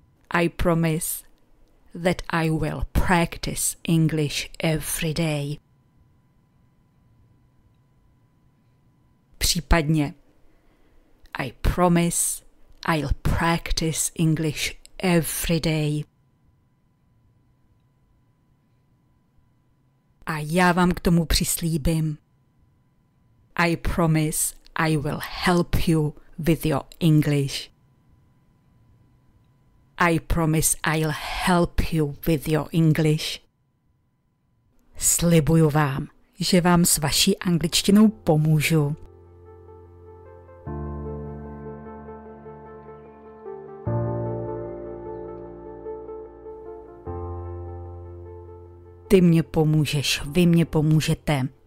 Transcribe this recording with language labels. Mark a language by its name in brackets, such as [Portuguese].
[English] I promise that I will practice English every day. [Czech] Případně [English] I promise I'll practice English every day. [Czech] A já vám k tomu přislíbím. [English] I promise I will help you with your English. I promise I'll help you with your English. [Czech] Slibuju vám, že vám s vaší angličtinou pomůžu. Ty mě pomůžeš, vy mě pomůžete.